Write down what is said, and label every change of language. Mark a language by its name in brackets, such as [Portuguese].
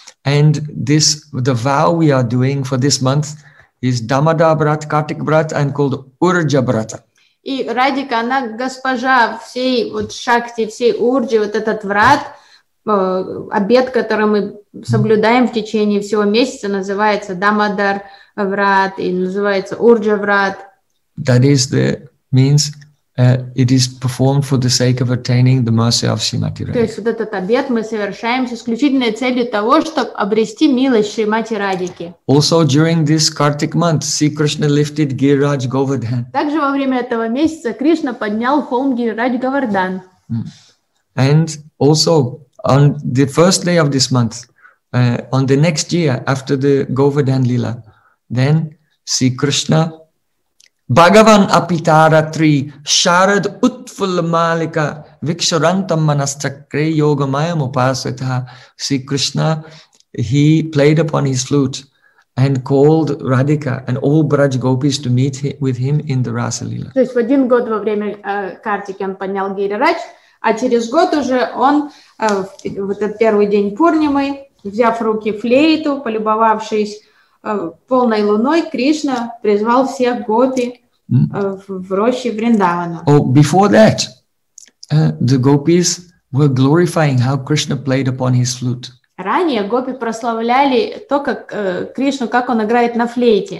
[English] And this, the vow we are doing for this month is Damodar Vrata, Kartik Vrata, and called Urja Vrata. [Russian] И Радика, она госпожа всей вот шакти, всей урджи, вот этот врат, обет, который мы соблюдаем в течение всего месяца, называется Дамодар врат и называется Урджа врат. [English] That is the means it is performed for the sake of attaining the mercy of Shrimati Radhika. [Russian] То есть вот этот обет мы совершаем с исключительной целью того, чтобы обрести милость Шримати Радики. [English] Also during this Kartik month, see Krishna lifted Giriraj Govardhan. [Russian] Также во время этого месяца Кришна поднял холм Гирирадж Говардан. [English] And also on the first day of this month, on the next year after the Govardhan Lila, then see Krishna. [Sanskrit] Bhagavan apitara tri sharad utful malika viksharantam manaschakre yogamayam upasvitha. [English] See Krishna, he played upon his flute and called Radhika and all Braj gopis to meet with him in the Rasa Lila. [Russian] То есть в один год во время Картики он поднял Гирирадж, а через год уже он, в этот первый день Пурнимы, взяв руки флейту, полюбовавшись полной луной, Кришна призвал всех гопи в роще Вриндавана. [English] Oh, before that, the gopis were glorifying how Krishna played upon his flute. [Russian] Ранее гопи прославляли то, как Кришну, как он играет на флейте.